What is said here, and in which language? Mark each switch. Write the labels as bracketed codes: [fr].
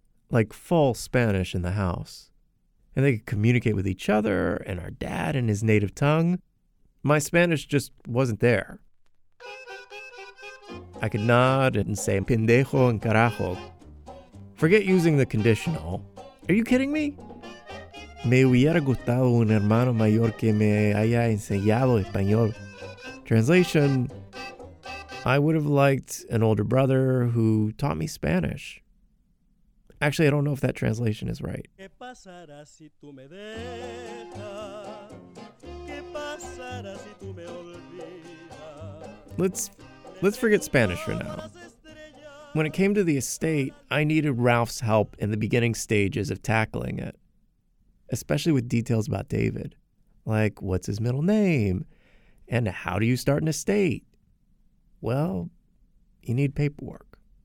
[en] Like full Spanish in the house. And they could communicate with each other and our dad in his native tongue. My Spanish just wasn't there. I could nod and say pendejo and carajo. Forget using the conditional. Are you kidding me? [es] Me hubiera gustado un hermano mayor que me haya enseñado español. [en] Translation, I would have liked an older brother who taught me Spanish. Actually, I don't know if that translation is right. [es] ¿Qué pasará si tú me dejas? ¿Qué pasará si tú me olvidas? [en] Let's forget Spanish for now. When it came to the estate, I needed Ralph's help in the beginning stages of tackling it, especially with details about David, like what's his middle name and how do you start an estate? Well, you need paperwork.